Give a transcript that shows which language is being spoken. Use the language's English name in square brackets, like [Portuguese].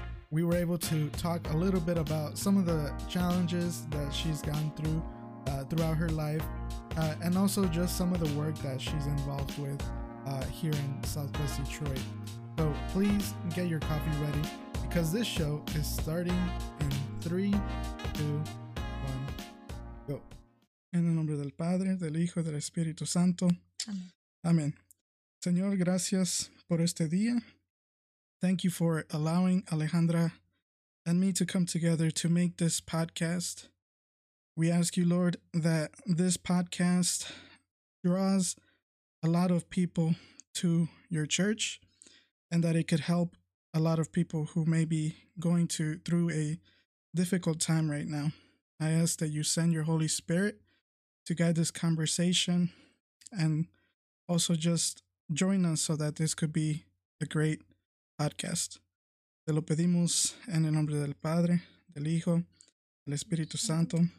[English] We were able to talk a little bit about some of the challenges that she's gone through throughout her life, and also just some of the work that she's involved with here in Southwest Detroit. So please get your coffee ready, because this show is starting in 3, 2, 1, go. [Spanish] En el nombre del Padre, del Hijo y del Espíritu Santo. Amen. Amen. Señor, gracias por este día. [English] Thank you for allowing Alejandra and me to come together to make this podcast. We ask you, Lord, that this podcast draws a lot of people to your church, and that it could help a lot of people who may be going through a difficult time right now. I ask that you send your Holy Spirit to guide this conversation and also just join us so that this could be a great podcast. [Spanish] Te lo pedimos en el nombre del Padre, del Hijo, del Espíritu Santo.